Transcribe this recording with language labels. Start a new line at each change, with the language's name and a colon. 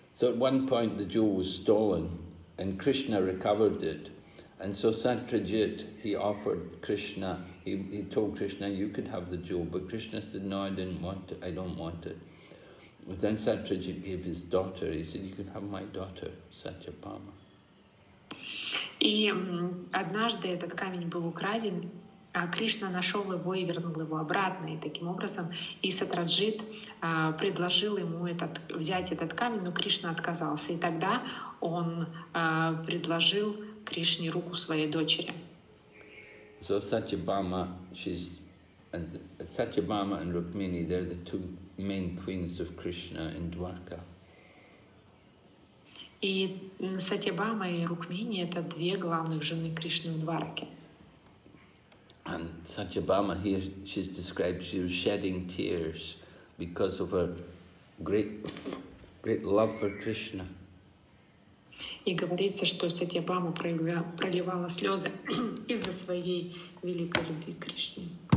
English: So at one point the jewel was stolen, and Krishna recovered it. And so Satrajit, he offered Krishna, he told Krishna, you could have the jewel, but Krishna said, no, I didn't want it, I don't want it. But then Satrajit gave his daughter, he said, you could have my daughter, Satyabhama.
Russian: И однажды этот камень был украден, а Кришна нашел его и вернул его обратно. И таким образом и Сатраджит предложил ему взять этот камень, но Кришна отказался. И тогда он предложил Кришне руку своей дочери.
English: So Satyabhama and Rukmini, they're the two main queens of Krishna in Dwarka.
Russian: И Сатьябхама и Рукмини — это две главных жены Кришны в Двараке.
English: And Сатьябхама, she's described, she was shedding tears because of her great love for Krishna.
Russian: И говорится, что Сатьябхама проливала слезы из-за своей великой любви к Кришне.